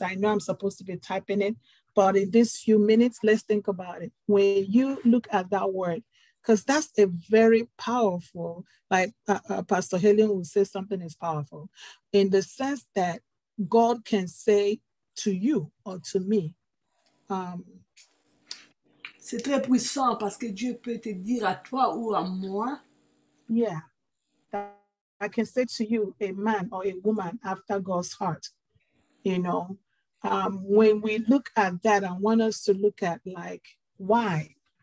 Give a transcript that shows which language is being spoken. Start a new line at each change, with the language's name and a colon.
English: I know I'm supposed to be typing it, but in these few minutes, let's think about it. When you look at that word, because that's a very powerful, like Pastor Helen will say, something is powerful in the sense that God can say to you or to me.
French: C'est très puissant parce que Dieu peut te dire à toi ou à moi.
English: Yeah, that I can say to you, a man or a woman after God's heart, you know. When we look at that, I want us to look at like, why?